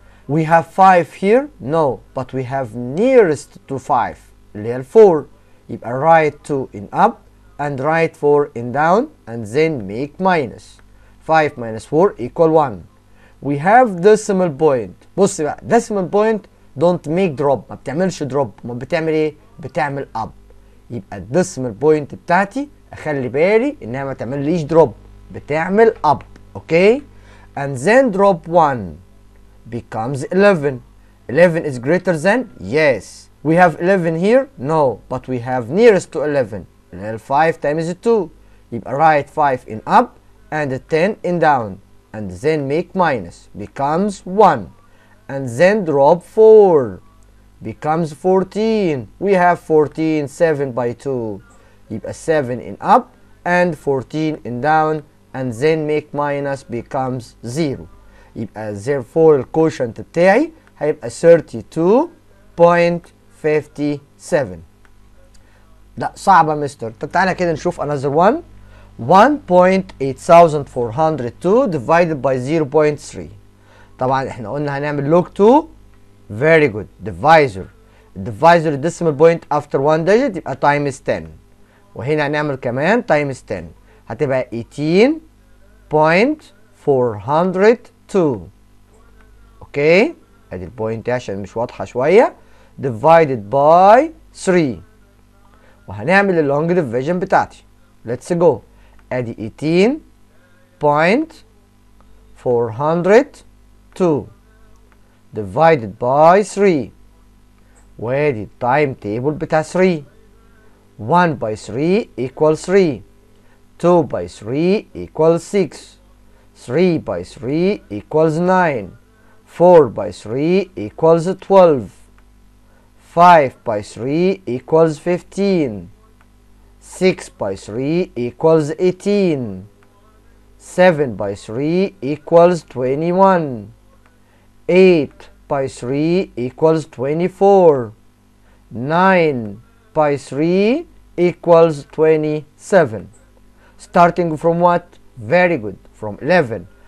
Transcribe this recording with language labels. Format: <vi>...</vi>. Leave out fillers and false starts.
<en>We have 5 here? No, but we have nearest to 5.</en> <ar>اللي هي 4. يبقى</ar> <en>right 2 in up and right 4 in down and then make minus. 5 minus 4 equal 1. We have decimal point.</en> <ar>بص بقى</ar> <en>decimal point don't make drop.</en> <ar>ما بتعملش drop. ما بتعمل ايه؟ بتعمل up. يبقى decimal point بتاعتي اخلي بالي انها ما تعملليش drop.</ar> <en>بتعمل up. Okay? And then drop 1. becomes 11. 11 is greater than? Yes. We have 11 here? No. But we have nearest to 11. 5 times 2. يبقى right 5 in up and 10 in down. And then make minus. Becomes 1. And then drop 4. Becomes 14. We have 14. 7 by 2. يبقى 7 in up and 14 in down. And then make minus. Becomes 0.</en> <ar>يبقى therefore الكوشنت بتاعي هيبقى 32.57. لا صعبة مستر. طب تعالى كده نشوف</ar> <en>another one. 1.8402 divided by 0.3.</en> <ar>طبعا احنا قلنا هنعمل look to.</ar> <en>very good. divisor. divisor decimal point after one digit يبقى times 10.</en> <ar>وهنا هنعمل كمان times 10. هتبقى 18.402. اوكي ادي البوينت عشان مش واضحه شويه</ar> <en>divided by 3</en> <ar>وهنعمل اللونج ديفيجن بتاعتي. ليتس جو.</ar> <en>ادي 18.402 divided by 3 وادي التايم تيبل بتاع 3. 1 by 3 equals 3, 2 by 3 equals 6, 3 by 3 equals 9, 4 by 3 equals 12, 5 by 3 equals 15, 6 by 3 equals 18, 7 by 3 equals 21, 8 by 3 equals 24, 9 by 3 equals 27. Starting from what? Very good. From 11.</en>